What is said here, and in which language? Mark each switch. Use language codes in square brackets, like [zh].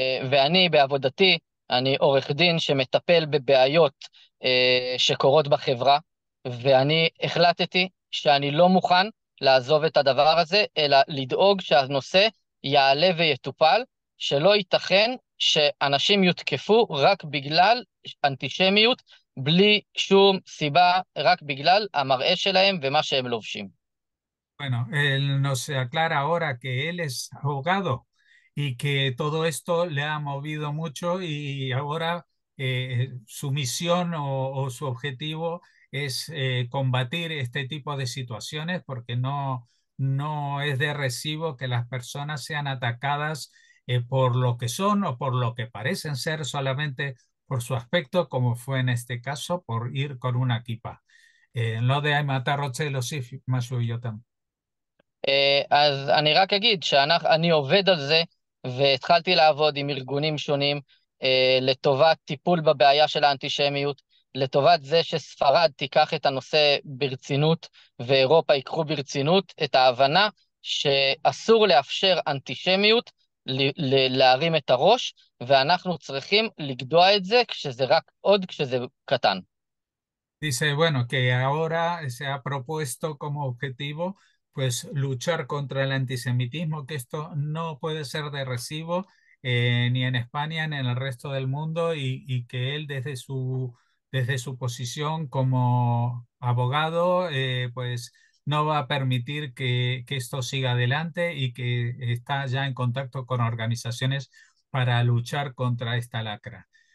[he] ואני בעבודתי, אני עורך דין שמטפל בבעיות שקורות בחברה, ואני החלטתי שאני לא מוכן לעזוב את הדבר הזה, אלא לדאוג שהנושא יעלה ויטופל, שלא ייתכן שאנשים יותקפו רק בגלל אנטישמיות, בלי שום סיבה, רק בגלל המראה שלהם ומה שהם לובשים. [es] Bueno, él nos aclara ahora que él es abogado y que todo esto le ha movido mucho y ahora su misión o su objetivo es combatir este tipo de situaciones porque no es de recibo que las personas sean atacadas por lo que son o por lo que parecen ser solamente por su aspecto, como fue en este caso, por ir con una kipá. Lo de Aymatarroche, lo sí, más yo también. [he] אז אני רק אגיד שאני עובד על זה, והתחלתי לעבוד עם ארגונים שונים לטובת טיפול בבעיה של האנטישמיות, לטובת זה שספרד תיקח את הנושא ברצינות, ואירופה ייקחו ברצינות את ההבנה שאסור לאפשר אנטישמיות להרים את הראש, ואנחנו צריכים לגדוע את זה כשזה רק עוד כשזה קטן. [es] Dice, bueno, que ahora se ha propuesto como objetivo, pues, luchar contra el antisemitismo, que esto no puede ser de recibo ni en España ni en el resto del mundo y que él desde su posición como abogado, pues, no va a permitir que esto siga adelante y que está ya en contacto con organizaciones para luchar contra esta lacra.